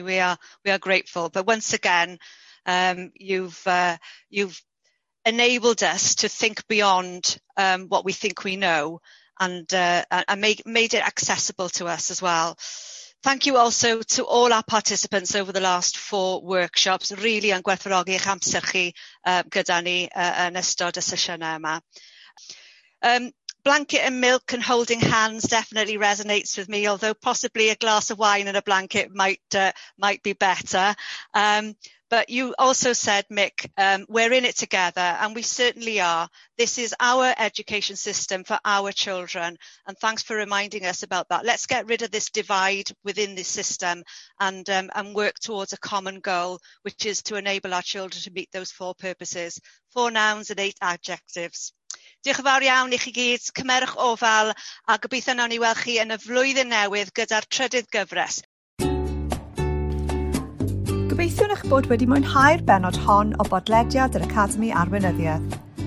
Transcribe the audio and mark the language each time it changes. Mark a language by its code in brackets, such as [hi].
[en] We are grateful. But once again, you've enabled us to think beyond what we think we know, and made it accessible to us as well. Thank you also to all our participants over the last four workshops. Really, [cy] yn gwerthfawrogi eich amser chi gyda ni yn ystod y sesiynau yma. [en] Blanket and milk and holding hands definitely resonates with me, although possibly a glass of wine and a blanket might be better. But you also said, Mick, we're in it together, and we certainly are. This is our education system for our children, and thanks for reminding us about that. Let's get rid of this divide within this system and work towards a common goal, which is to enable our children to meet those four purposes, four nouns and eight adjectives. [cy] Diolch yn fawr iawn i chi gyd, cymerwch ofal, a gobeithio nawn ni weld chi yn y flwyddyn newydd gyda'r trydydd gyfres. Gobeithio'n eich bod wedi mwynhau'r benod hon o Bodlediad yr Academi Arweinyddiaeth.